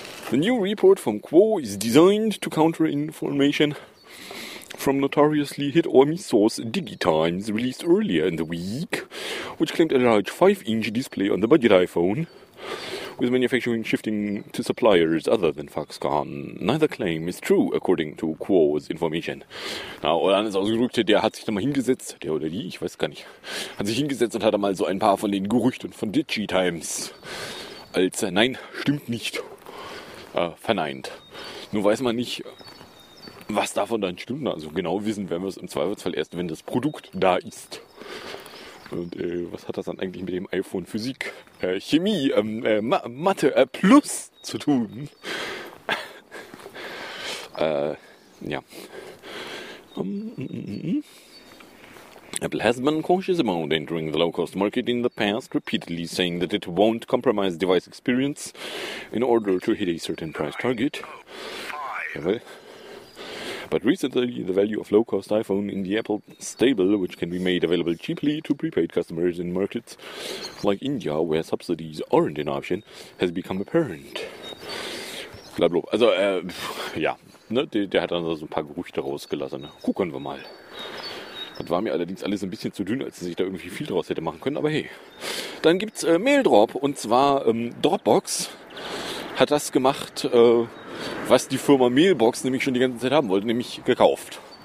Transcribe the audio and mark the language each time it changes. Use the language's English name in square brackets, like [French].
[English] The new report from Quo is designed to counter information from notoriously hit-or-miss source DigiTimes, released earlier in the week, which claimed a large 5-inch display on the budget iPhone, with manufacturing shifting to suppliers other than Foxconn. Neither claim is true, according to Quo's information. [German] Na, oder anders ausgedrückt, der hat sich da mal hingesetzt, der oder die, ich weiß gar nicht, hat sich hingesetzt und hat einmal so ein paar von den Gerüchten von DigiTimes als nein, stimmt nicht, verneint. Nur weiß man nicht, was davon dann stimmt. Also genau wissen werden wir es im Zweifelsfall erst, wenn das Produkt da ist. Und was hat das dann eigentlich mit dem iPhone Physik, Chemie, Mathe Plus zu tun? ja. [English] Apple has been cautious about entering the low-cost market in the past, repeatedly saying that it won't compromise device experience in order to hit a certain price target. [German] Jawohl. [English] But recently, the value of low-cost iPhone in the Apple stable, which can be made available cheaply to prepaid customers in markets like India, where subsidies aren't an option, has become apparent. Blablabla. [German] Also, ja, ne, der hat dann so ein paar Gerüchte rausgelassen. Gucken wir mal. Das war mir allerdings alles ein bisschen zu dünn, als ich da irgendwie viel draus hätte machen können, aber hey. Dann gibt's Maildrop, und zwar Dropbox hat das gemacht, was die Firma Mailbox nämlich schon die ganze Zeit haben wollte, nämlich gekauft.